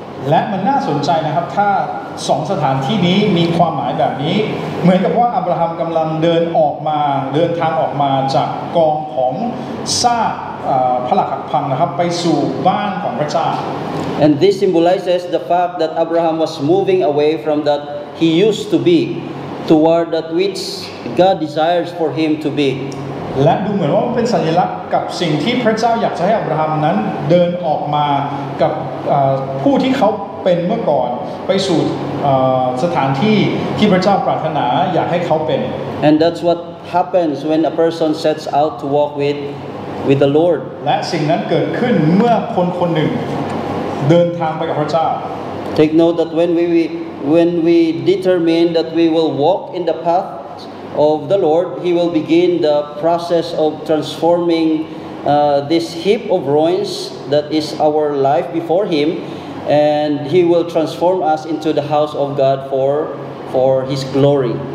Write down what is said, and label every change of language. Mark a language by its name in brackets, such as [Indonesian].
[Thai] และมันน่าสนใจนะครับถ้าสองสถานที่นี้มีความหมายแบบนี้เหมือนกับว่าอับราฮัมกำลังเดินออกมาเดินทางออกมาจากกองของซากพระหลักพังนะครับไปสู่บ้านของพระเจ้า [English] And this symbolizes the fact that Abraham was moving away from that he used to be. Toward that which God desires for him to be. [Thai] และดูเหมือนว่าเป็นสัญลักษณ์กับสิ่งที่พระเจ้าอยากจะให้อับราฮัมนั้นเดินออกมากับผู้ที่เขาเป็นเมื่อก่อนไปสู่สถานที่ที่พระเจ้าปรารถนาอยากให้เขาเป็น [English] And that's what happens when a person sets out to walk with the Lord. [Thai] และสิ่งนั้นเกิดขึ้นเมื่อคนคนหนึ่งเดินทางไปกับพระเจ้า [English] Take note that when we determine that we will walk in the path of the Lord, He will begin the process of transforming this heap of ruins that is our life before Him, and He will transform us into the house of God for His glory.